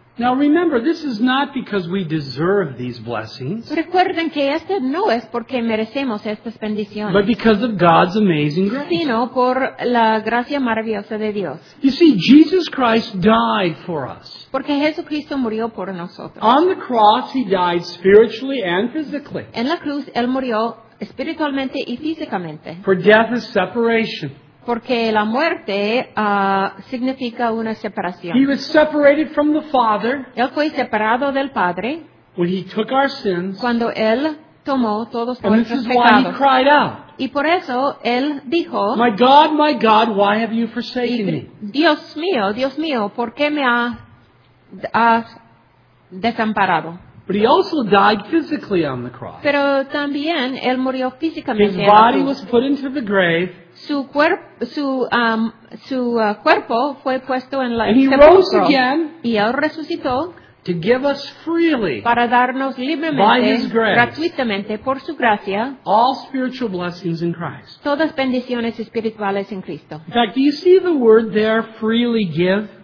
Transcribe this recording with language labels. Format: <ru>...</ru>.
<en>Now remember, this is not because we deserve these blessings.</en> <es>Recuerden que este no es porque merecemos estas bendiciones.</es> <en>But because of God's amazing grace.</en> <es>Sino por la gracia maravillosa de Dios.</es> <en>You see, Jesus Christ died for us.</en> <es>Porque Jesucristo murió por nosotros.</es> <en>On the cross, he died spiritually and physically.</en> <es>En la cruz, él murió espiritualmente y físicamente.</es> <en>For death is separation.</en> <es>Porque la muerte significa una separación.</es> <en>He was separated from the Father.</en> <es>Él fue separado del Padre.</es> <en>When he took our sins.</en> <es>Cuando él tomó todos</es> <en>and</en> <es>nuestros pecados.</es> <en>And this is why he cried out.</en> <es>Y por eso él dijo.</es> <en>My God, why have you forsaken me?</en> <es>Dios mío, ¿por qué me has desamparado?</es> <en>But he also died physically on the cross.</en> <es>Pero también él murió físicamente.</es> <en>His body was put into the grave.</en> <es>Su cuerpo fue puesto en la</es> <en>and he rose again</en> <es>y él resucitó</es> <en>to give us freely</en> <es>para darnos libremente,</es> <en>by his grace</en> <es>gratuitamente, por su gracia,</es> <en>all spiritual blessings in Christ.</en> <es>Todas bendiciones espirituales en Cristo.</es> <en>In fact, do you see the word there, freely give?</en>